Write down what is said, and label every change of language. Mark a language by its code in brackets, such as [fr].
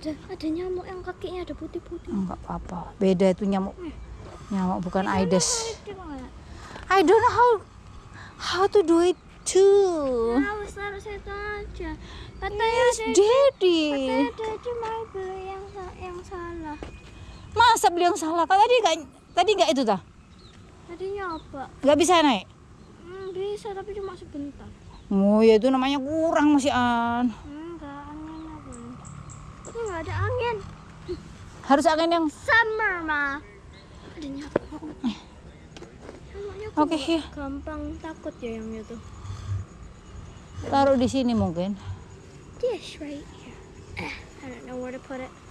[id] Ada nyamuk yang kakinya ada putih-putih. Enggak apa-apa. Beda itu nyamuk. Nyamuk bukan Aedes. [en] I don't know how to do it too. [id] Harus itu aja. Kata [en] yes, Daddy. [id] Kata Daddy mau beli yang salah. Masa beli yang salah? Kata tadi enggak itu dah. Tadi nyoba. Enggak bisa naik. Bisa tapi cuma sebentar. Oh, ya itu namanya kurang masih an. Enggak, angin apa? Ini enggak ada angin. Harus angin yang summer, Ma. Ada nyoba. [en] Oke, okay, [id] gampang takut ya yang itu. Taruh di sini mungkin. [en] Yes, right here. I don't know where to put it.